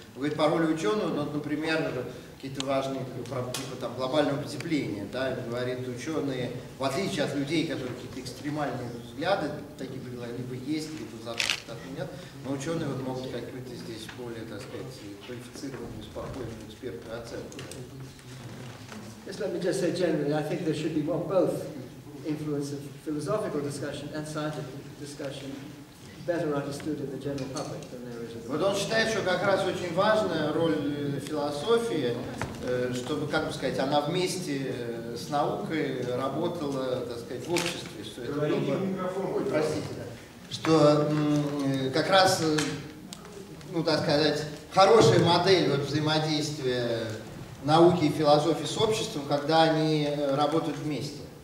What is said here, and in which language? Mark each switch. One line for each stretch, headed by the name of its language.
Russian: Говорит, по роли ученого, ну, например, какие-то важные, типа там, глобального потепления, да, говорит, ученые, в отличие от людей, которые какие-то экстремальные взгляды, такие, либо есть, либо завтра, либо нет, но ученые вот могут какие-то здесь более, так сказать, квалифицированные, спокойные эксперты оценку.
English: Just let me just say generally, I think there should be more both influence of philosophical discussion and scientific discussion better understood in the general public than there is in the world.
Russian: Вот он считает, что как раз очень важная роль философии, чтобы, как бы сказать, она вместе с наукой работала, так сказать, в обществе. Что это было... Что как раз, ну, так сказать, хорошая модель вот, взаимодействия науки и философии с обществом, когда они работают вместе.